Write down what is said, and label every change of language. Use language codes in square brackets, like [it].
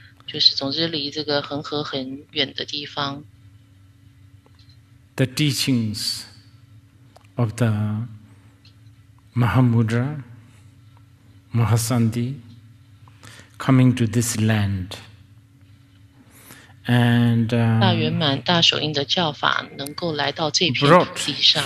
[zh] 就是总之离这个恒河很远的地方, [en] the teachings of the Mahamudra, Mahasandhi, coming to this land. And [zh] 大圆满大手印的教法能够来到这片地上,